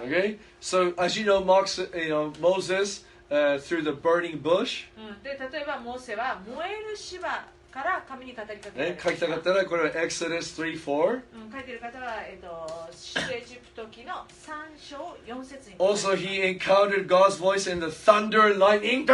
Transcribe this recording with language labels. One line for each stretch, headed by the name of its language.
English: Okay? So, as you know, Mark, you know, Moses, through the burning bush.
Japanese: で、例えばモーセは燃える芝から神に語りかけられる。書きたかったらこれは Exodus 3, 4、書いてる方は、出エジプト記の3章4節に。
English: Also he encountered God's voice in the thunder and lightning.